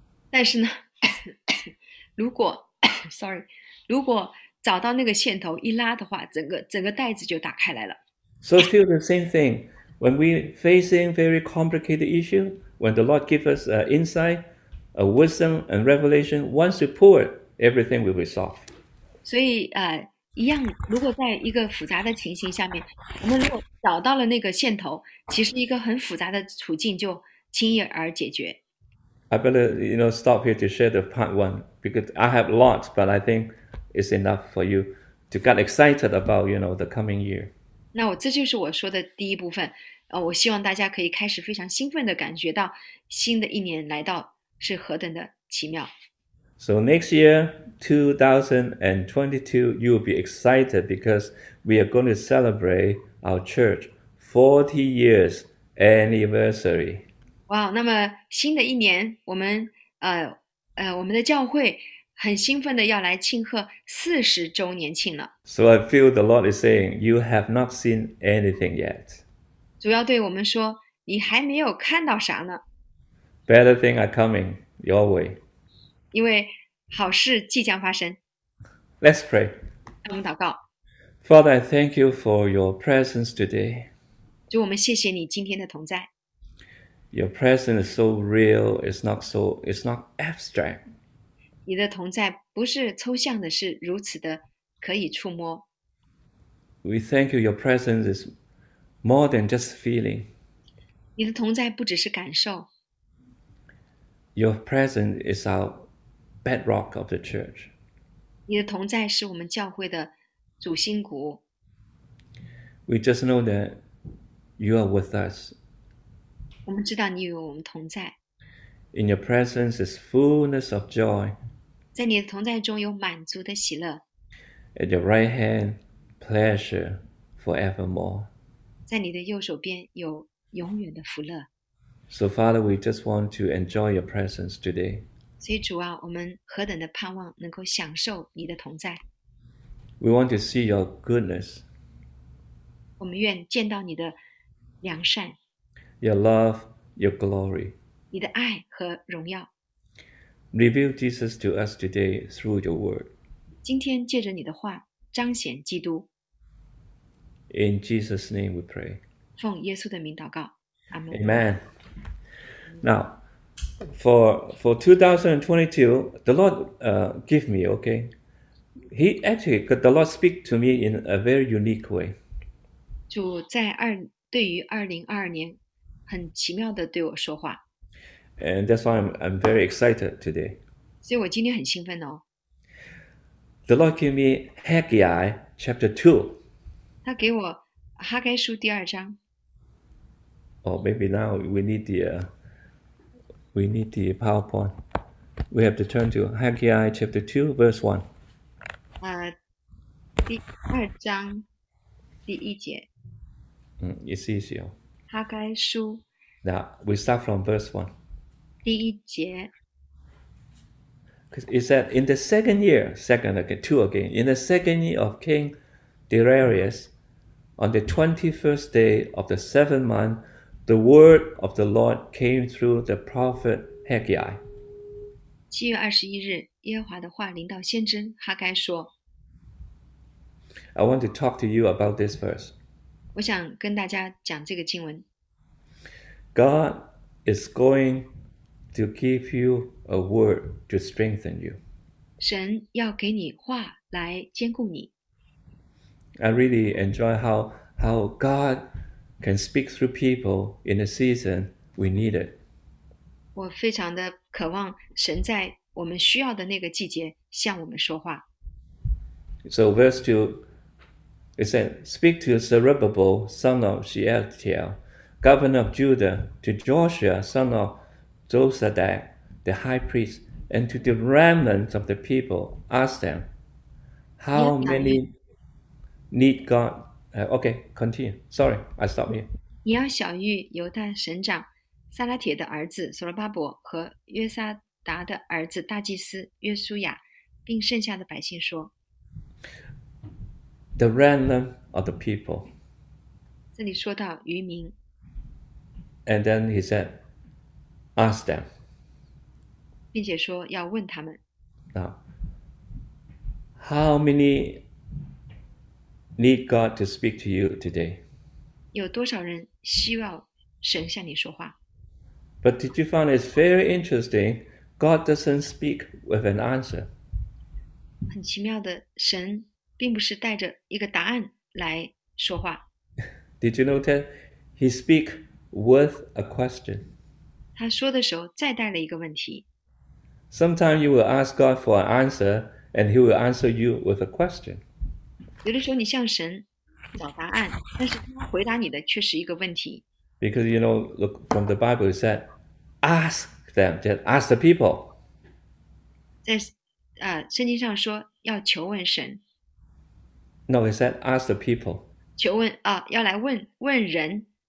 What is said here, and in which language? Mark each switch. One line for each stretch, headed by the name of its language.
Chinese: 但是呢，如果找到那个线头一拉的话，整个袋子就打开来了。
English: So feel the same thing when we facing very complicated issue, when the Lord give us insight, a wisdom and revelation, once you pull it, everything will be solved.
Chinese: 所以，一样，如果在一个复杂的情形下面，我们如果找到了那个线头，其实一个很复杂的处境就轻易而解决。
English: I better, stop here to share the part one because I have lots, but I think it's enough for you to get excited about, the coming year.
Chinese: 那我这就是我说的第一部分，我希望大家可以开始非常兴奋地感觉到新的一年来到是何等的奇妙。
English: So next year, 2022, you will be excited because we are going to celebrate our church 40 years anniversary.
Chinese: 哇，那么新的一年，我们的教会很兴奋的要来庆贺40周年庆了。
English: So I feel the Lord is saying, you have not seen anything yet.
Chinese: 主要对我们说，你还没有看到啥呢？
English: Better things are coming your way.
Chinese: 因为好事即将发生。
English: Let's pray.
Chinese: 让我们祷告。
English: Father, I thank you for your presence today.
Chinese: 主，我们谢谢你今天的同在。
English: Your presence is so real, it's not abstract.
Chinese: 你的同在不是抽象的，是如此的可以触摸。
English: We thank you, your presence is more than just feeling.
Chinese: 你的同在不只是感受。
English: Your presence is our bedrock of the church.
Chinese: 你的同在是我们教会的主心骨。
English: We just know that you are with us.
Chinese: 我们知道你与我们同在。
English: In your presence is fullness of joy.
Chinese: 在你的同在中有满足的喜乐，
English: At your right hand, pleasure forevermore.
Chinese: 在你的右手边有永远的福乐。
English: So, Father, we just want to enjoy your presence today.
Chinese: 所以主啊，我们何等的盼望能够享受你的同在。
English: We want to see your goodness,
Chinese: 我们愿见到你的良善，
English: your love, your glory.
Chinese: 你的爱和荣耀。
English: Reveal Jesus to us today through your word.
Chinese: 今天借着你的话彰显基督。
English: In Jesus' name we pray.
Chinese: 奉耶稣的名祷告，阿门。
English: Amen. Now, for 2022, the Lord give me, okay? He actually, the Lord speak to me in a very unique way.
Chinese: 主对于2022年，很奇妙的对我说话，
English: And that's why I'm very excited today.
Chinese: 所以我今天很兴奋哦。
English: The Lord gave me Haggai chapter 2.
Chinese: 他给我哈该书第二章。
English: Or maybe now we need the PowerPoint. We have to turn to Haggai chapter 2, verse 1.
Chinese: 第二章第一节。
English: It's easier.
Chinese: "哈该书
English: Now we start from verse 1.
Chinese: 第一节。
English: It said, in the second year, second again, two again, in the second year of King Darius, on the 21st day of the seventh month, The word of the Lord came through the prophet Haggai.
Chinese: 7月21日，耶和华的话临到先知哈该说。
English: I want to talk to you about this verse.
Chinese: 我想跟大家讲这个经文。
English: God is going to give you a word to strengthen you.
Chinese: 神要给你话来坚固你。
English: I really enjoy how God can speak through people in a season we need it.
Chinese: 我非常的渴望神在我们需要的那个季节向我们说话。
English: So verse 2, it said, Speak to Zerubbabel, son of Shealtiel, governor of Judah, to Joshua, son of Jozadak, the high priest, and to the remnant of the people. Ask them, how many need God? Okay, continue. Sorry, I stopped you.
Chinese: 你要晓谕犹大省长撒拉铁的儿子所罗巴伯和约撒达的儿子大祭司约书亚，并剩下的百姓说。
English: The remnant of the people.
Chinese: 这里说到渔民。
English: And then he said, ask them.
Chinese: 并且说要问他们。
English: Now, how many need God to speak to you today?
Chinese: 有多少人需要神向你说话？
English: But did you find it's very interesting? God doesn't speak with an answer.
Chinese: 很奇妙的，神并不是带着一个答案来说话。
English: Did you notice he speak with a question?
Chinese: 他说的时候再带了一个问题。
English: Sometimes you will ask God for an answer, and he will answer you with a question.
Chinese: 有的时候你向神找答案，但是他回答你的却是一个问题。
English: Because you know, look from the Bible, it said, ask them, just ask the people.
Chinese: 在圣经上说要求问神。
English: No, it said ask the people.
Chinese: 求问要来问人。